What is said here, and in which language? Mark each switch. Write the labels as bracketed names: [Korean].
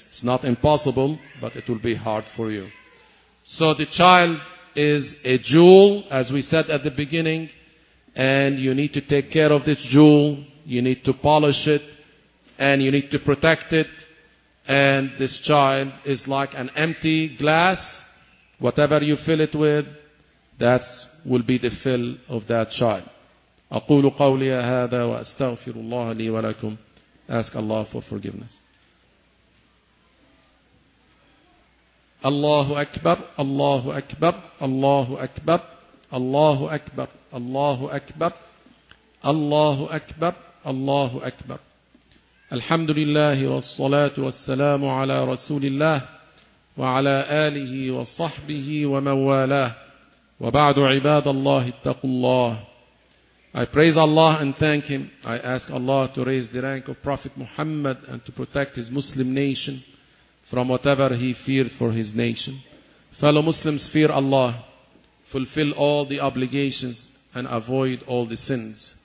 [English] It's not impossible, but it will be hard for you. So the child is a jewel, as we said at the beginning, and you need to take care of this jewel. You need to polish it and you need to protect it. And this child is like an empty glass. Whatever you fill it with, that will be the fill of that child. [Arabic] أقول قولي هذا وأستغفر الله لي ولكم. [English] Ask Allah for forgiveness. [Arabic] الله أكبر الله أكبر الله أكبر الله أكبر الله أكبر الله أكبر الله أكبر الحمد لله والصلاة والسلام على رسول الله وعلى آله وصحبه ومن والاه وبعد عباد الله اتقوا الله. [English] I praise Allah and thank Him. I ask Allah to raise the rank of Prophet Muhammad and to protect his Muslim nation from whatever he feared for his nation. Fellow Muslims, fear Allah. fulfill all the obligations and avoid all the sins.